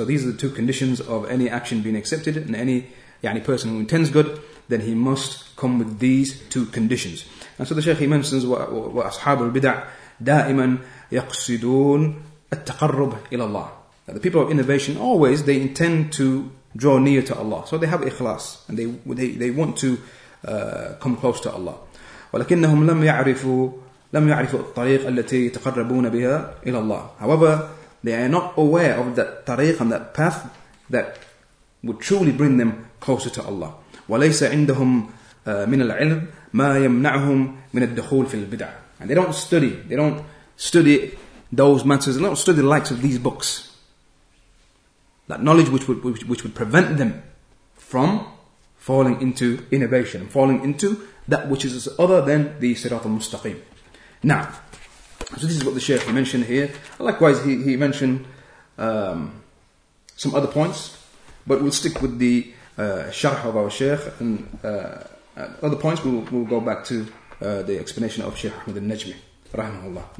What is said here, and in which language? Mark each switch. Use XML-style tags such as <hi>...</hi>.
<en>So these are the two conditions of any action being accepted, and any yani person who intends good, then he must come with these two conditions. And so the Shaykh, he mentions</en> <ar>wa ashab al-bid'ah da'iman yaqsidun at-taqarrub ila Allah.</ar> <en>That the people of innovation always, they intend to draw near to Allah. So they have ikhlas, and they want to come close to Allah.</en> <ar>ولكنهم لم يعرفوا الطريق التي يتقربون بها إلى الله.</ar> <en>However, they are not aware of that tariq and that path that would truly bring them closer to Allah.</en> <ar>وليس عندهم من العلم ما يمنعهم من الدخول في البدع.</ar> <en>And they don't study. They don't study those matters. They don't study the likes of these books. That knowledge which would prevent them from falling into innovation, falling into that which is other than the Sirat al-Mustaqim. Now, so this is what the Shaykh mentioned here. Likewise, he mentioned some other points, but we'll stick with the Sharh of our Shaykh, and other points we'll go back to the explanation of Shaykh Ahmed al-Najmi, rahimahullah.</en>